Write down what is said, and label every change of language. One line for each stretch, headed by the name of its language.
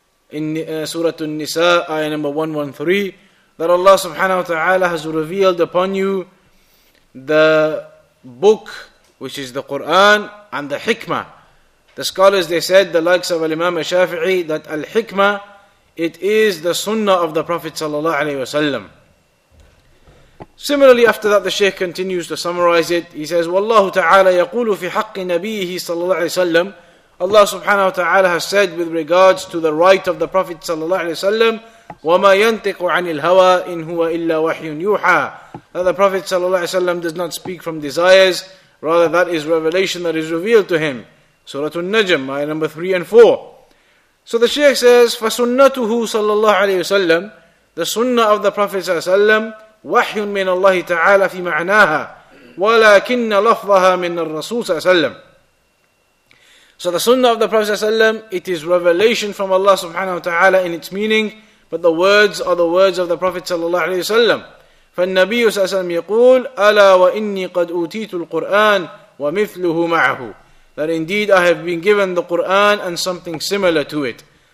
English: In Surah An-Nisa, ayah number 113, that Allah subhanahu wa ta'ala has revealed upon you the book, which is the Qur'an, and the hikmah. The scholars, they said, the likes of Imam Shafi'i, that al-hikmah, it is the sunnah of the Prophet sallallahu alayhi wa sallam. Similarly, after that, the Shaykh continues to summarize it. He says,
Arabic: وَاللَّهُ تَعَالَى يَقُولُ فِي حَقِّ نَبِيهِ صَلَّى اللَّهِ عَلَيْهِ وَسَلَّمْ.
English: Allah subhanahu wa ta'ala has said with regards to the right of the Prophet sallallahu alayhi wa sallam,
Arabic: وَمَا يَنْتِقُ عَنِ الْهَوَىٰ إِنْ هُوَ إِلَّا وَحْيٌ يُوحَىٰ.
English: That the Prophet sallallahu alayhi wa sallam does not speak from desires, rather that is revelation that is revealed to him. Surah Al-Najm, ayah number 3 and 4. So the Shaykh says,
Arabic: فَسُنَّتُهُ صَلَّى اللَّهُ عَلَيْهِ وَسَلَّمْ.
English: The sunnah of the Prophet sallallahu alayhi wa sallam,
Arabic: وَحْيٌ مِنَ اللَّهِ تَعَالَىٰ فِي مَعْنَاهَا وَلَكِنَّ لَفْظَهَا مِنَ الرَّسُولِ صَلَّى اللَّهُ عَلَيْهِ.
English: So the sunnah of the Prophet ﷺ, it is revelation from Allah subhanahu wa ta'ala in its meaning, but the words are the words of the Prophet sallallahu alayhi wa sallam.
Arabic: فَالنَّبِيُّ سَأَسَلَمْ يَقُولُ أَلَا وَإِنِّي قَدْ أُوتِيتُ الْقُرْآنِ وَمِثْلُهُ مَعَهُ.
English: That indeed I have been given the Qur'an and something similar to it.